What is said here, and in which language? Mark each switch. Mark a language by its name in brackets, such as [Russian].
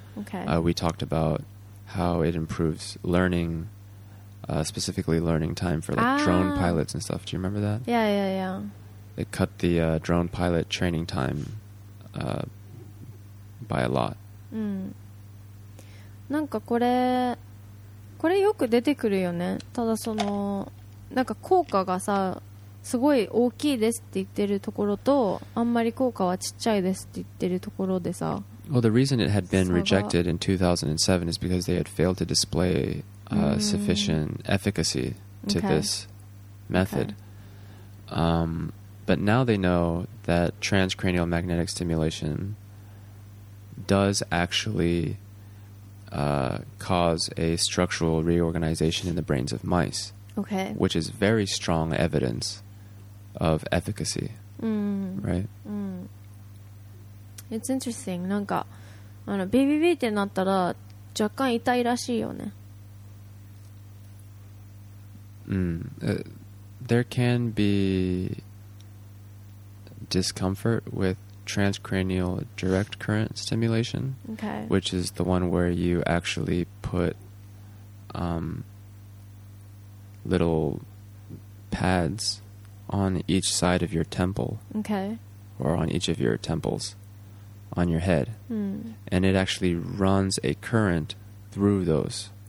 [English] Okay. We talked about how it improves learning, specifically learning time for like drone pilots and stuff. Do you remember that? Yeah. It cut the drone pilot training time by a lot. [Japanese] なんかこれよく出てくるよね。ただそのなんか効果がさすごい大きいですって言ってるところと、あんまり効果はちっちゃいですって言ってるところでさ。 [English] Well, the reason it had been rejected in 2007 is because they had failed to display sufficient efficacy to this method. But now they know that transcranial magnetic stimulation does actually cause a structural reorganization in the brains of mice. Okay. Which is very strong evidence of efficacy. Right? It's interesting. [Japanese] なんかあのビビビってなったら若干痛いらしいよね。 [English] There can be discomfort with transcranial direct current stimulation, which is the one where you actually put little pads on each side of your temple, or on each of your temples on your head, and it actually runs a current through those.